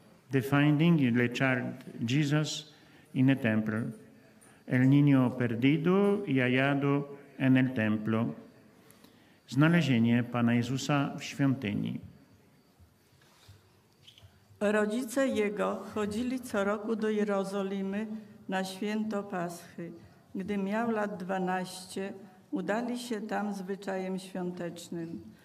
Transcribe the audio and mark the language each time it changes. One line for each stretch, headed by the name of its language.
English: The finding of the child Jesus in the temple.
Spanish: El niño perdido y hallado en el templo.
Polish: znalezienie Pana Jezusa w świątyni. Rodzice Jego chodzili co roku do Jerozolimy na święto Paschy. Gdy miał lat 12, udali się tam zwyczajem świątecznym.